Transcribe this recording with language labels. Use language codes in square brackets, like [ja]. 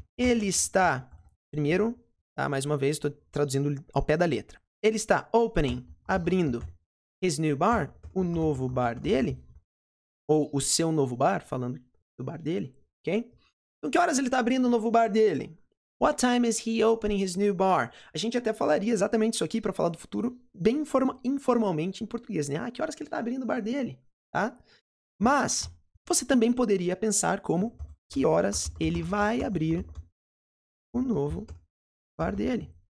[pt] Ele está, primeiro, tá, mais uma vez, estou traduzindo ao pé da letra. Ele está [en] opening, [pt] abrindo [en] his new bar, [pt] o novo bar dele, ou o seu novo bar, falando do bar dele, ok? Então, que horas ele está abrindo o novo bar dele? [en] What time is he opening his new bar? [pt] A gente até falaria exatamente isso aqui para falar do futuro bem informalmente em português, né? Ah, que horas que ele está abrindo o bar dele, tá? Mas, você também poderia pensar como... Que horas ele vai abrir o novo bar dele?